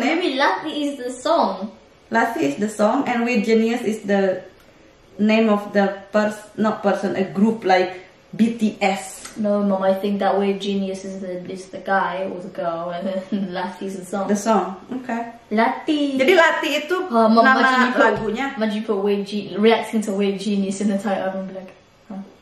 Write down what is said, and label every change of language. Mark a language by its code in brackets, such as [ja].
[en] Wait, maybe Lassie is the song. Lassie is the song and Weird Genius is the name of the a group like BTS. No, mom, I think that Weird Genius is the guy or the girl, and Lassie's the song. The song, okay. Lassie. [id] Jadi Lassie itu nama lagunya. [en] Imagine you put reacting to Weird Genius in the title, I'm gonna be like, huh?